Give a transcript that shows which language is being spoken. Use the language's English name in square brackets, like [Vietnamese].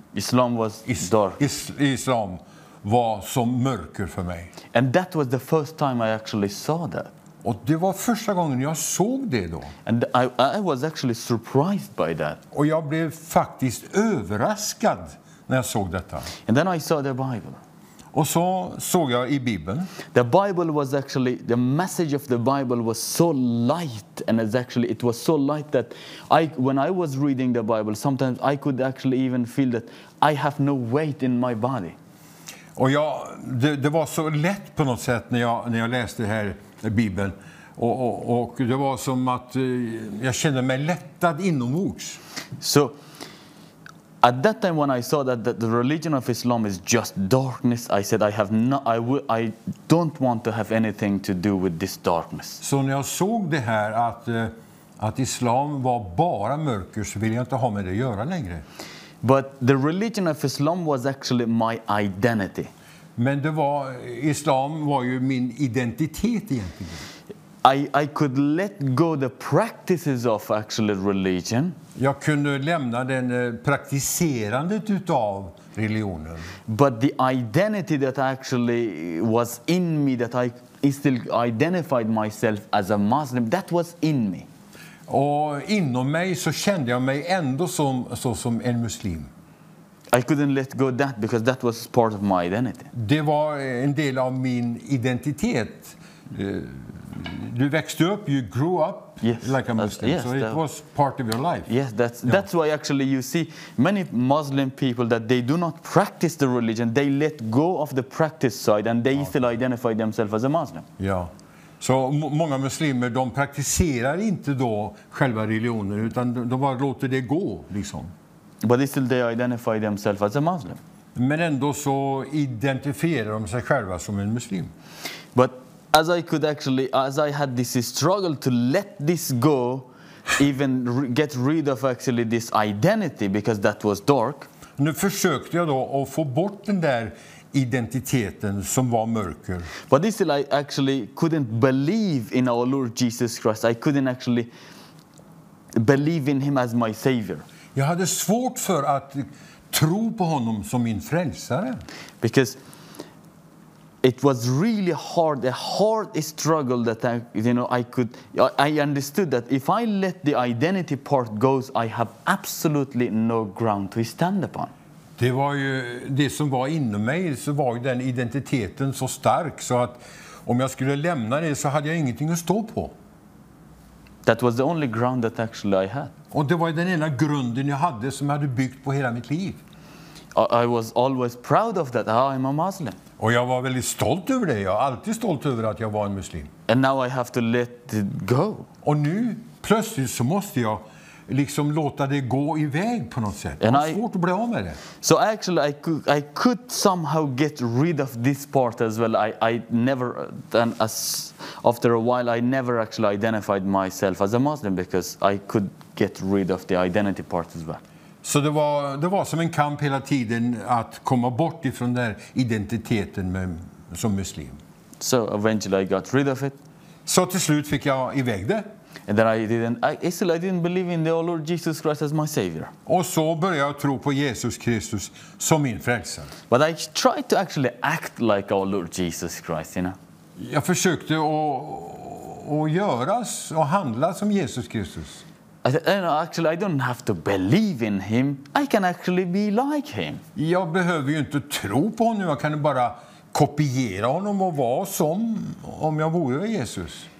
[English] Islam was dark. [Swedish] Islam var som mörker för mig. [English] And that was the first time I actually saw that. [Swedish] Och det var första gången jag såg det då. [English] And I was actually surprised by that. [Swedish] Och jag blev faktiskt överraskad när jag såg detta. [English] And then I saw the Bible. [Swedish] Och så såg jag i Bibeln. [English] The Bible was actually, the message of the Bible was so light, and it was so light that when I was reading the Bible, sometimes I could actually even feel that I have no weight in my body. [Swedish] Och jag, det var så lätt på något sätt när jag läste det här Bibeln, och det var som att jag kände mig lättad inombords. [English] So at that time when I saw that the religion of Islam is just darkness, I said I don't want to have anything to do with this darkness. [Swedish] Så när jag såg det här att islam var bara mörker, så ville jag inte ha med det att göra längre. [English] But the religion of Islam was actually my identity. [Swedish] Men det var, islam var ju min identitet egentligen. [English] I could let go the practices of actually religion. [Swedish] Jag kunde lämna den praktiserandet utav religionen. [English] But the identity that actually was in me, that I still identified myself as a Muslim, that was in me. [Swedish] Och inom mig så kände jag mig ändå som en muslim. [English] I couldn't let go that because that was part of my identity. [Swedish] Det var en del av min identitet. Du växte upp, [English] you grew up, yes, like a Muslim. Yes, so it was part of your life. Yes, that's why actually you see many Muslim people that they do not practice the religion, they let go of the practice side and they still identify themselves as a Muslim. [Swedish] Ja. Så många muslimer, de praktiserar inte då själva religionen, utan de bara låter det gå liksom. [English] But they still identify themselves as a Muslim. [Swedish] Men ändå så identifierar de sig själva som en muslim. [English] But as I could actually, as I had this struggle to let this go, even get rid of actually this identity, because that was dark. [Swedish] Nu försökte jag då att få bort den där identiteten som var mörker. [English] But this I actually couldn't believe in our Lord Jesus Christ. I couldn't actually believe in him as my savior. [Swedish] Jag hade svårt för att tro på honom som min frälsare. [English] Because it was really hard, a hard struggle that I understood that if I let the identity part goes, I have absolutely no ground to stand upon. [Swedish] Det var ju det som var inom mig, så var ju den identiteten så stark, så att om jag skulle lämna det så hade jag ingenting att stå på. [English] That was the only ground that actually I had. [Swedish] Och det var ju den enda grunden jag hade, som jag hade byggt på hela mitt liv. [English] I was always proud of that. I'm a Muslim. [Swedish] Och jag var väldigt stolt över det. Jag var alltid stolt över att jag var en muslim. [English] And now I have to let it go. [Swedish] Och nu plötsligt så måste jag liksom låta det gå iväg på något sätt. Det var svårt att bli av med det. [English] So actually I could somehow get rid of this part as well. I never, then as after a while, I never actually identified myself as a Muslim, because I could get rid of the identity part as well. [Swedish] Så det var som en kamp hela tiden att komma bort ifrån den där identiteten som muslim. [English] So eventually I got rid of it. [Swedish] Så till slut fick jag iväg det. [English] And then I didn't believe in the Lord Jesus Christ as my savior. [Swedish] Och så började jag tro på Jesus Kristus som min frälsare. [English] But I tried to actually act like our Lord Jesus Christ, you know. [Swedish] Jag försökte att göra och handla som Jesus Kristus. [English] I said, no, actually I don't have to believe in him. I can actually be like him. [Swedish] Jag behöver ju inte tro på honom. Jag kan bara kopiera honom och vara som om jag vore Jesus.